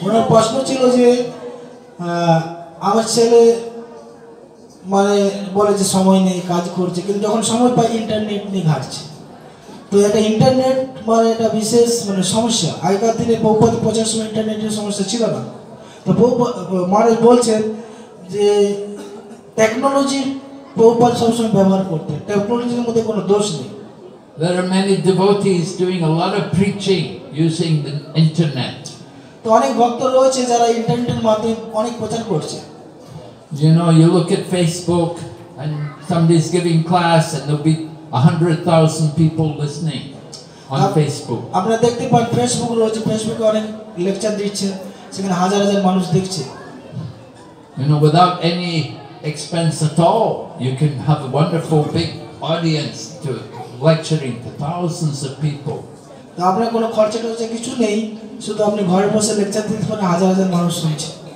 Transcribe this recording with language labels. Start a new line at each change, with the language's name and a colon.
English: One question was that our
Bangla: ছেলে মানে বলে যে সময় নেই কাজ করছে কিন্তু যখন সময় পায় ইন্টারনেট নিয়ে ঘাটছে তো এটা ইন্টারনেট মানে এটা বিশেষ মানে সমস্যা আগেকার দিনে প্রভুপাদ 50 ইন্টারনেটের সমস্যা ছিল না তো মহারাজ বলছেন যে টেকনোলজির প্রভুপাদ সবসময় ব্যবহার করতে টেকনোলজির মধ্যে কোনো দোষ নেই
English: There are many devotees doing a lot of preaching using the internet.
Bangla: তো অনেক ভক্ত রয়েছে যারা ইন্টারনেটের মাধ্যমে অনেক প্রচার করছে
English: You know, you look at Facebook and somebody's giving class and there'll be 100,000 people listening on Facebook.
Bangla: আপনারা দেখতে পারেন Facebook রয়েছে Facebook অনেক লেকচার দিচ্ছে সেখানে হাজার হাজার মানুষ দেখছে.
English: You know, without any expense at all, you can have a wonderful big audience to lecturing to thousands of people.
Bangla: তো আপনার কোনো খরচ টরচে কিছু নেই শুধু আপনি ঘরে বসে লেকচার দিতে পারেন হাজার হাজার মানুষ শুনছে.